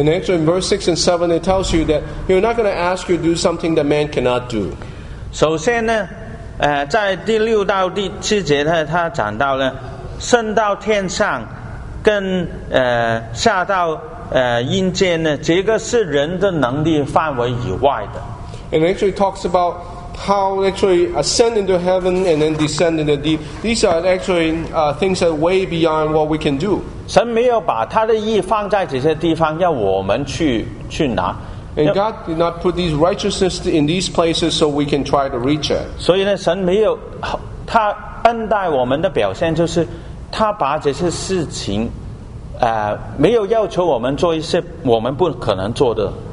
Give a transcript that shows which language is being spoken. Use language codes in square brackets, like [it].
[en] And actually, in verse 6 and 7, it tells you that He's not going to ask you to do something that man cannot do. [zh] 首先呢。在第六到第七节呢，他讲到呢，升到天上跟下到阴间呢，这个是人的能力范围以外的。 [en] And actually talks about how actually ascend into heaven and then descend into the deep. These are actually things that are way beyond what we can do. [zh] 神没有把他的义放在这些地方，要我们去拿。 [en] And God did not put these righteousness in these places so we can try to reach it. [zh] 所以呢，神没有他恩待我们的表现，就是他把这些事情，没有要求我们做一些我们不可能做的。